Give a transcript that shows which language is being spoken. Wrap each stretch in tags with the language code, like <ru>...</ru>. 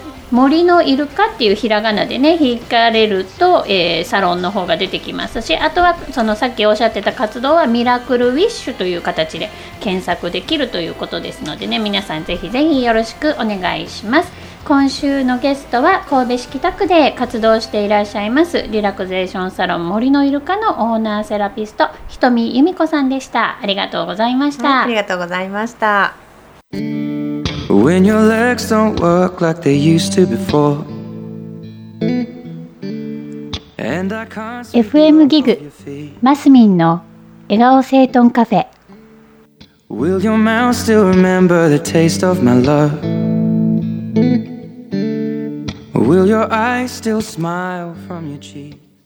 <ja>森のイルカっていうひらがなでね、引かれると、サロンの方が出てきますし、あとはそのさっきおっしゃってた活動はミラクルウィッシュという形で検索できるということですのでね、皆さんぜひぜひよろしくお願いします。今週のゲストは神戸市北区で活動していらっしゃいますリラクゼーションサロン森のイルカのオーナーセラピスト、ひとみ由美子さんでした。ありがとうございました。ありがとうございました。</ja> <en>When your legs don't work like they used to before.</en> <ja>FM ギグ、マスミンの笑顔整頓カフェ。</ja> <en>Will your mouth still remember the taste of my love? Will your eyes still smile from your cheek?</en>